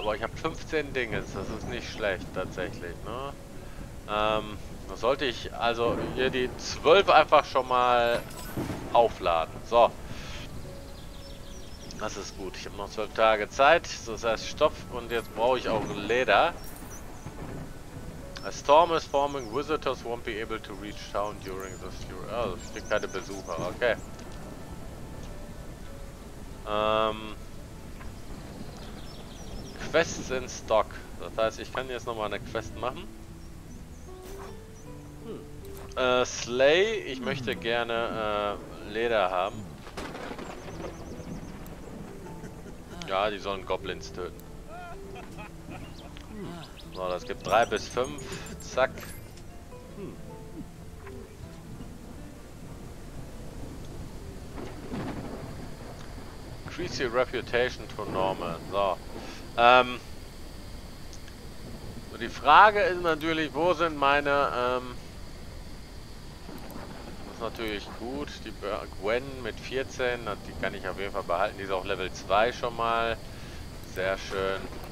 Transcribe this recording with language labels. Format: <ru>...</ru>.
<de>Boah, ich habe 15 Dinge, das ist nicht schlecht tatsächlich, ne? Sollte ich also hier die 12 einfach schon mal aufladen. So. Das ist gut. Ich habe noch 12 Tage Zeit. So, das heißt Stopp und jetzt brauche ich auch Leder.</de> <en>A storm is forming. Visitors won't be able to reach town during this year.</en> <de>Oh, es gibt keine Besucher, okay.</de> <en>Quests in Stock.</en> <de>Das heißt, ich kann jetzt nochmal eine Quest machen. Slay, ich möchte gerne Leder haben. Ja, die sollen Goblins töten. So, das gibt 3 bis 5. Zack.</de> <en>Increase your reputation to normal.</en> <de>So. Die Frage ist natürlich, wo sind meine das ist natürlich gut, die Gwen mit 14, die kann ich auf jeden Fall behalten, die ist auch Level 2 schon mal, sehr schön.</de>